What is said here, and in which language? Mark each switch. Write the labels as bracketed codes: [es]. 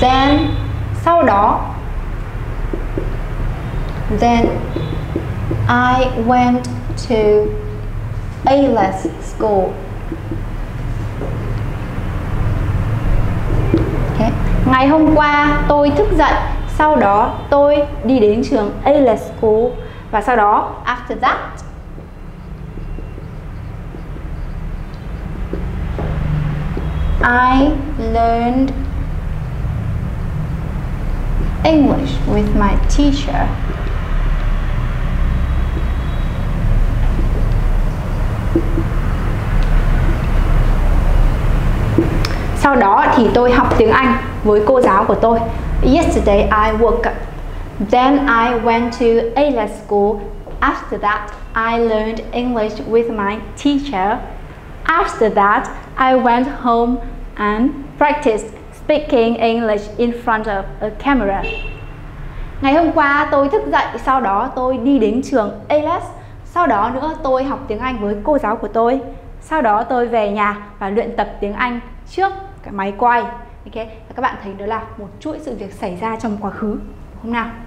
[en] Then, [vi] sau đó, [en] then I went to A-less school. Okay. [vi] Ngày hôm qua tôi thức dậy, sau đó tôi đi đến trường A-less school. Và sau đó, [en] after that, I learned English with my teacher. [vi] Sau đó thì tôi học tiếng Anh với cô giáo của tôi. [en] Yesterday I woke up. Then I went to A-less school. After that, I learned English with my teacher. After that, I went home and practiced speaking English in front of a camera. [vi] Ngày hôm qua tôi thức dậy, sau đó tôi đi đến trường A-less. Sau đó nữa tôi học tiếng Anh với cô giáo của tôi. Sau đó tôi về nhà và luyện tập tiếng Anh trước cái máy quay. Ok, và các bạn thấy đó là một chuỗi sự việc xảy ra trong quá khứ, đúng không nào?